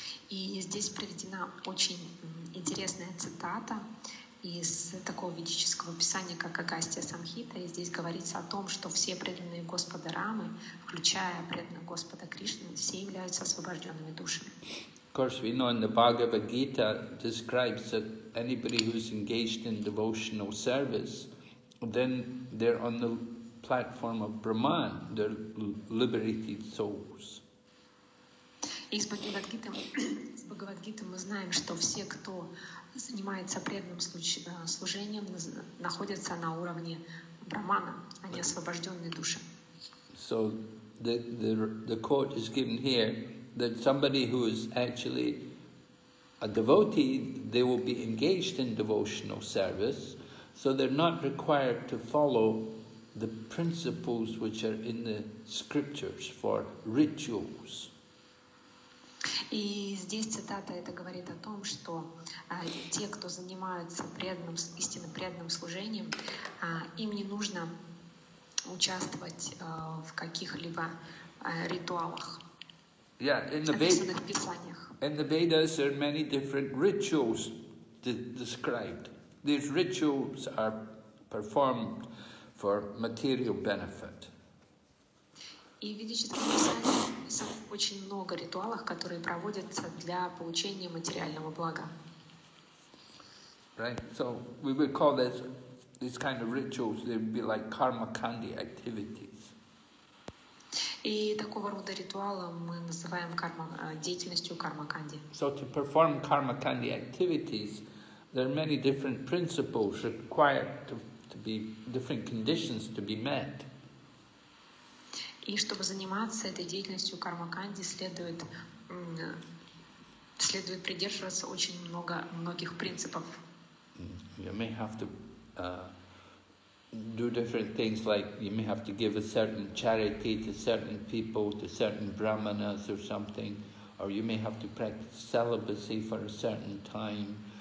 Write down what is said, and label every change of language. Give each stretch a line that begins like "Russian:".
Russian: И здесь приведена очень интересная цитата. из такого ведического писания, как Агастья Самхита, и здесь говорится о том, что все преданные Господа Рамы, включая преданных Господа Кришны, все являются освобожденными душами.
English: Of course, we know in the Bhagavad Gita describes that anybody who's engaged in devotional service, then they're on the platform of Brahman, they're liberated souls.
Russian: Из Бхагавад-гиты, мы знаем, что все, кто занимается преданным служением, находятся на уровне брахмана, а не освобожденной души.
English: So the quote is given here that somebody who is actually a devotee, they will be engaged in devotional service, so they're not required to follow the principles which are in the scriptures for rituals.
Russian: И здесь цитата это говорит о том, что те, кто занимаются преданным, истинно преданным служением, им не нужно участвовать в каких-либо ритуалах, описанных в писаниях.
English: In the Vedas there are many different rituals described. These rituals are performed for material benefit.
Russian: И в ведических писаниях очень много ритуалов, которые проводятся для получения материального блага.
English: Right, so we would call these kind of rituals, they would be like karmakandi activities.
Russian: И такого рода ритуалы мы называем деятельностью кармаканди.
English: So to perform karmakandi activities, there are many different principles required to be different conditions to be met.
Russian: И чтобы заниматься этой деятельностью кармаканди, следует придерживаться очень многих принципов.
English: You may have to do different things, like you may have to give a certain charity to certain people, to certain brahmanas or something, or you may have to practice celibacy for a certain time.